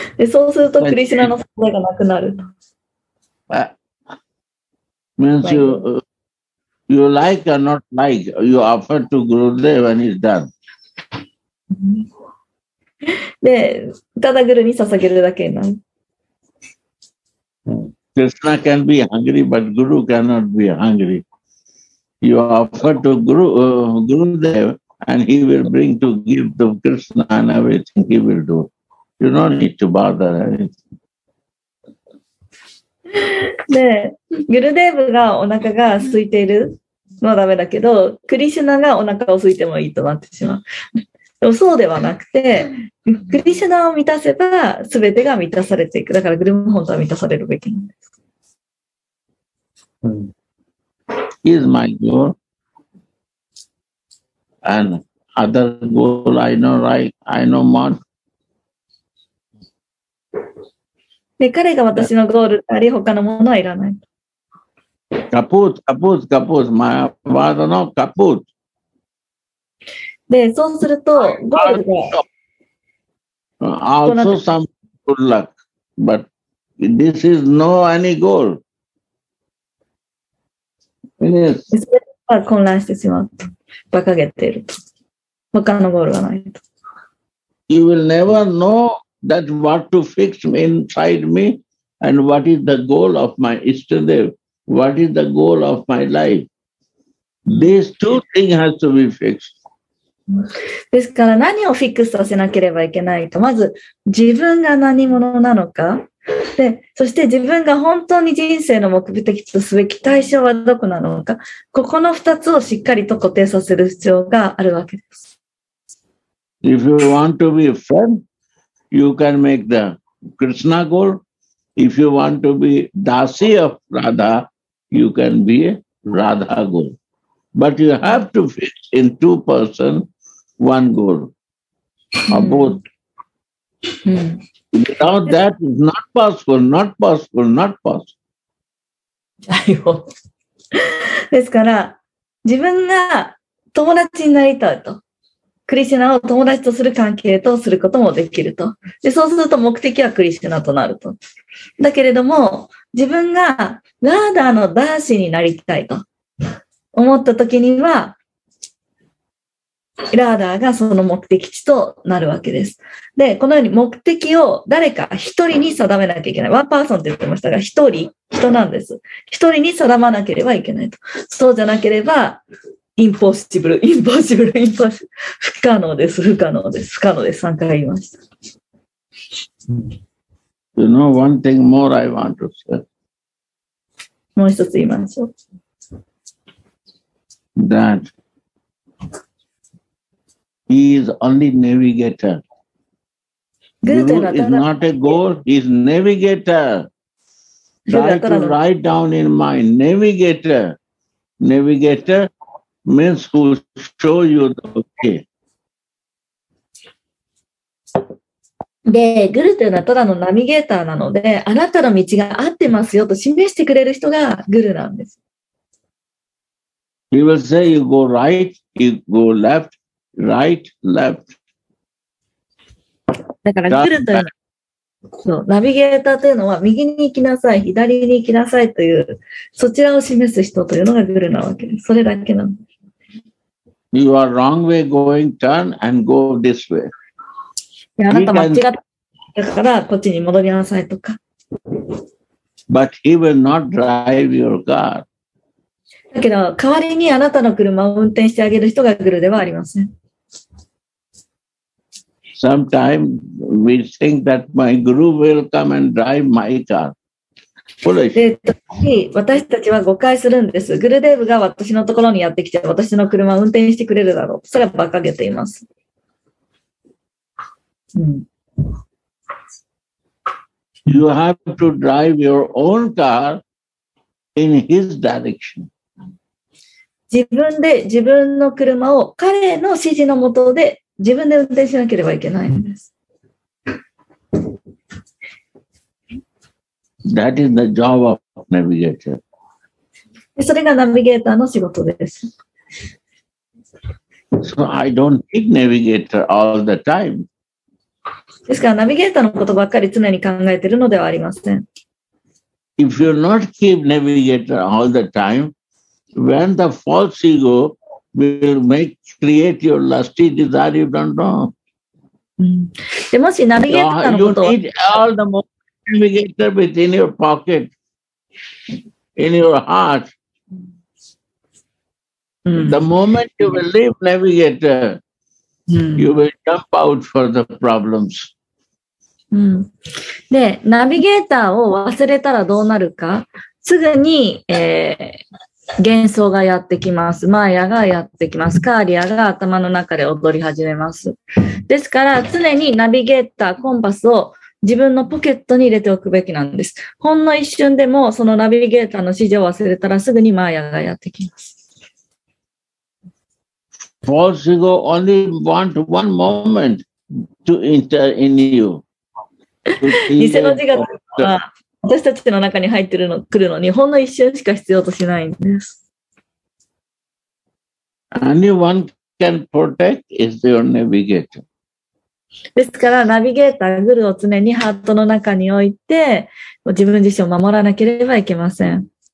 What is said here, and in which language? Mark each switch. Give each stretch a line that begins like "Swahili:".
Japanese: そうするとクリシナの存在がなくなると。
English: Means you, you like or not like, you offer to Gurudev and he's done.
Japanese: で、ただグルに捧げるだけなん。
English: Krishna can be hungry, but Guru cannot be hungry. You offer to Guru, Gurudev and he will bring to give to Krishna and everything he will do. You don't need to bother anything.
Japanese: で、グルデーブがお腹が空いているのはダメだけど、クリシュナがお腹を空いてもいいとなってしまう。でもそうではなくて、クリシュナを満たせば全てが満たされていく。だからグルム本当は満たされるべきなんです。
English: He is my goal. And other goal I know, right? I know more.
Japanese: で彼が私のゴールであり、他のものはいらない。カプーツ、カプーツ、カプーツ、マヤバードのカプーツ。で、そうすると、ゴールが。
English: Also some good luck, but this is no any goal.
Japanese: それは混乱してしまうと。馬鹿げていると。他のゴールはないと。
English: You will never know. That what to fix inside me and what is the goal of my Ishtadev, what is the goal of my life. These two things have to be fixed.
Japanese: ですから何をフィックスさせなければいけないと、まず自分が何者なのか、でそして自分が本当に人生の目的とすべき対象はどこなのか、ここの2つをしっかりと固定させる必要があるわけです。
English: If you want to be a friendYou can make the Krishna goal. If you want to be Dasi of Radha, you can be a Radha goal. But you have to fix in two person one goal, or both. Without that, it's not possible, not possible, not possible.
Japanese: ですから、自分が友達になりたいと。クリシュナを友達とする関係とすることもできると。で、そうすると目的はクリシュナとなると。だけれども、自分がラーダーのダーシになりたいと思ったときには、ラーダーがその目的地となるわけです。で、このように目的を誰か一人に定めなきゃいけない。ワンパーソンって言ってましたが、一人、人なんです。一人に定まなければいけないと。そうじゃなければ、インポッシブル、インポッシブル、インポッシブル。不可能です、不可能です、不可能です。3回言いました。
English: You know, one thing more I want to say.
Japanese: もう一つ言いましょう。
English: That he is only navigator. Guru is not a goal, he is navigator. Try to write down in mind, navigator, navigator. Means who show you the way.
Japanese: で、グルというのはただのナビゲーターなので、あなたの道が合ってますよと示してくれる人がグルなんです。
English: He will say you go right, you go left, right, left.
Japanese: だからグルというのは、そう、ナビゲーターというのは右に行きなさい、左に行きなさいという、そちらを示す人というのがグルなわけです。それだけなんです。
English: You are wrong way going, turn and go this way.
Japanese: あなた間違ったからこっちに戻りなさいとか。
English: But he will not drive your car.
Japanese: だけど代わりにあなたの車を運転してあげる人がグルではありません。
English: Sometimes we think that my guru will come and drive my car.
Japanese: で、私たちは誤解するんです。グルデーブが私のところにやってきて、私の車を運転してくれるだろう。それは馬鹿げています。
English: うん、you have to drive your own car in his direction.
Japanese: 自分で自分の車を彼の指示のもとで自分で運転しなければいけないんです。
English: That is the job of navigator.
Japanese: それがナビゲーターの仕事です。
English: So I don't need navigator all the time.
Japanese: ですからナビゲーターのことばっかり常に考えているのではありません。
English: If you not keep navigator all the time, when the false ego will make create your lusty desire, you don't know.
Japanese: でもしナビゲーターのことを。
English: You need all the more. Navigator within your pocket, in your heart.、Mm. The moment you will leave navigator,、mm. you will jump out for the problems.、 Mm.
Japanese: で、ナビゲーターを忘れたらどうなるか。すぐに、幻想がやってきます。マーヤがやってきます。カーリアが頭の中で踊り始めます。ですから、常にナビゲーター、コンパスを自分のポケットに入れておくべきなんです。ほんの一瞬でもそのナビゲーターの指示を忘れたらすぐにマーヤがやってきます。
English: False ego only want one moment to enter in you.
Japanese: 偽の自我は私たちの中に入ってるの来るのにほんの一瞬しか必要としないんです。
English: Anyone can protect is your navigator.
Japanese: ですからナビゲーターグルを常にハートの中に置いて自分自身を守らなければいけません。